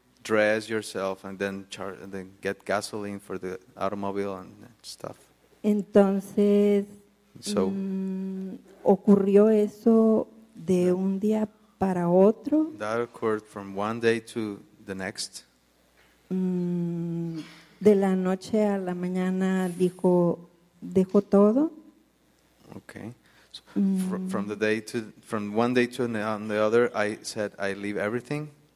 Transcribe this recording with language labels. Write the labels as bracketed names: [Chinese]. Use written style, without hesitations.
[English] Dress yourself and then charge, and then get gasoline for the automobile and stuff. [Spanish] Entonces, [English] so, [Spanish] ocurrió eso de un día para otro. [English] That occurred from one day to the next. [Spanish] De la noche a la mañana dijo, dejó todo. [English] Okay. So, from the day to from one day to the other, I said I leave everything.